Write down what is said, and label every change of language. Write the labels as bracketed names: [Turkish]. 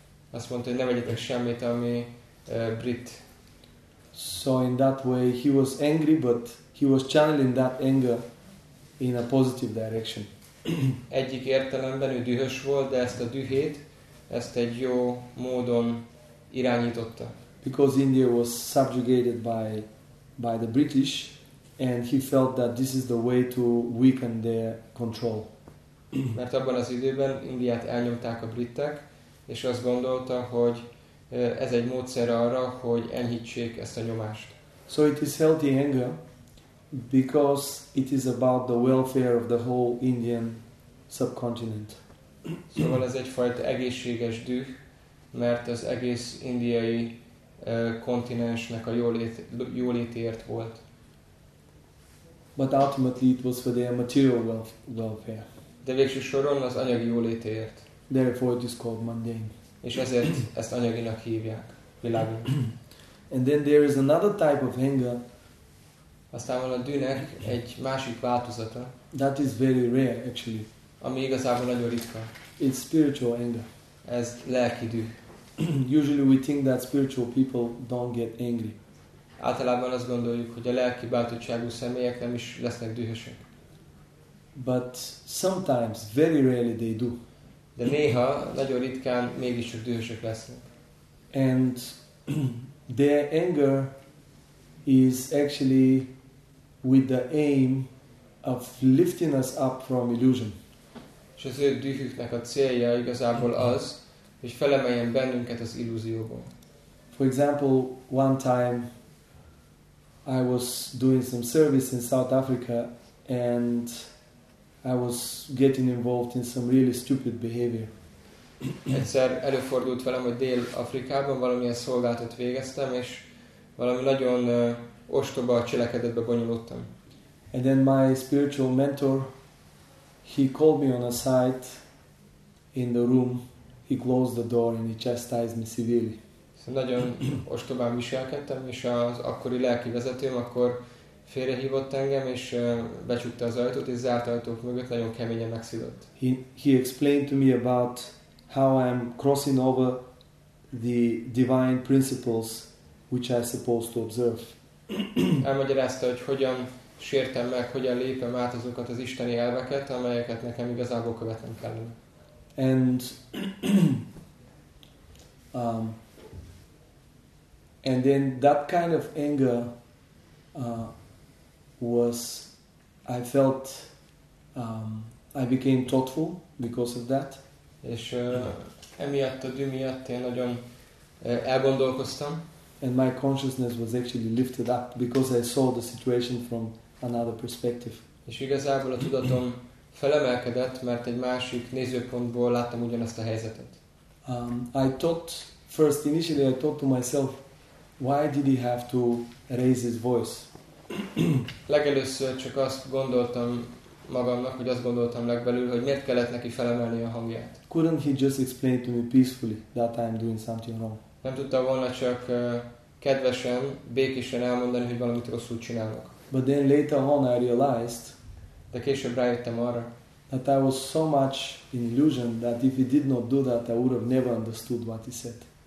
[Hungarian] Azt mondta, hogy ne vegyetek semmit, ami brit. [English] So in that way, he was angry, but he was channeling that anger in a positive direction. [Hungarian] Egyik értelemben ő dühös volt, de ezt a dühét, ezt egy jó módon irányította. [English] Because India was subjugated by the British, and he felt that this is the way to weaken their control. [Hungarian] Mert abban az időben Indiát elnyomták a britek, és azt gondolta, hogy ez egy módszer arra, hogy enyhítsék ezt a nyomást. [English] So it is healthy anger because it is about the welfare of the whole Indian subcontinent. [Hungarian] Szóval ez egyfajta egészséges düh, mert az egész indiai kontinensnek a jólétért volt. [English] But ultimately it was for their material welfare. [Hungarian] De végső soron az anyagi jólétért. [English] Therefore it is called mundane. [Hungarian] És ezért ezt anyaginak hívják, világon. [English] And then there is another type of anger. [Hungarian] Aztán van a dűnek egy másik változata. [English] That is very rare, actually. [Hungarian] Ami igazából nagyon ritka. [English] It's spiritual anger. [Hungarian] Ez lelki düh. [English] Usually we think that spiritual people don't get angry. [Hungarian] Általában azt gondoljuk, hogy a lelki bátorságú személyek nem is lesznek dühösek. [English] But sometimes, very rarely they do. [Hungarian] De néha, nagyon ritkán, mégiscsak dühösök lesznek. [English] And their anger is actually with the aim of lifting us up from illusion. [Hungarian] És ezért dühüknek a célja igazából az, hogy felemeljen bennünket az illúzióból. [English] For example, one time I was doing some service in South Africa and I was getting involved in some really stupid behavior. [Hungarian] Egyszer előfordult velem, hogy Dél-Afrikában valamilyen szolgálatot végeztem, és valami nagyon ostoba cselekedetbe bonyolultam. [English] And then my spiritual mentor, he called me on a side in the room, he closed the door and he chastised me severely. [Hungarian] Nagyon ostobán viselkedtem, és az akkori lelki vezetőm akkor félrehívott engem, és becsukta az ajtót, és zárt ajtók mögött nagyon keményen megszidott. [English] He explained to me about how I am crossing over the divine principles which I supposed to observe. [Hungarian] Elmagyarázta, hogy hogyan sértem meg, hogyan lépem át azokat az isteni elveket, amelyeket nekem igazából követnem kellene. [English] And then that kind of anger was, I felt, I became thoughtful because of that. [Hungarian] És emiatt a düh miatt én nagyon elgondolkoztam. [English] And my consciousness was actually lifted up because I saw the situation from another perspective. [Hungarian] És igazából a tudatom felemelkedett, mert egy másik nézőpontból láttam ugyanezt a helyzetet. [English] I thought to myself, why did he have to raise his voice? [Hungarian] Legelőször csak azt gondoltam magamnak, hogy azt gondoltam legbelül, hogy miért kellett neki felemelni a hangját. [English] Couldn't he just explain to me peacefully that I'm doing something wrong? [Hungarian] Nem tudta volna csak kedvesen, békésen elmondani, hogy valamit rosszul csinálok. [English] But then later on I realized, [Hungarian] de később rájöttem arra, [English] that I was so much in illusion that if he did not do that, I would have never understood what he said.